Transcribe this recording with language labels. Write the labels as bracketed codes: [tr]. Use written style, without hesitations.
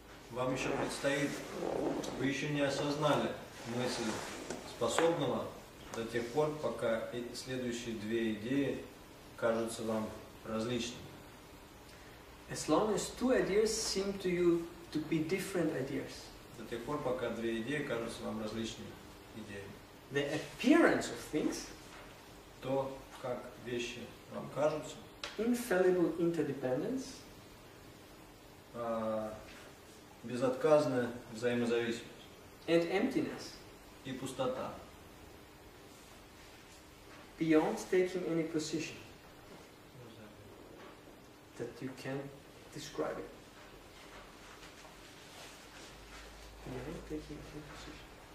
[ru] Вам еще предстоит, вы еще не осознали мысль способного, до тех пор, пока следующие две идеи кажутся вам различными. [en] As long as two ideas seem to you to be different ideas. [ru] До тех пор, пока две идеи кажутся вам различными идеями. [en] The appearance of things. [ru] То, как вещи вам кажутся. [en] infallible interdependence. [ru] Безотказная взаимозависимость. [en] And emptiness. [ru] И пустота. [en] Beyond taking any position. That you can describe it. Beyond taking any position.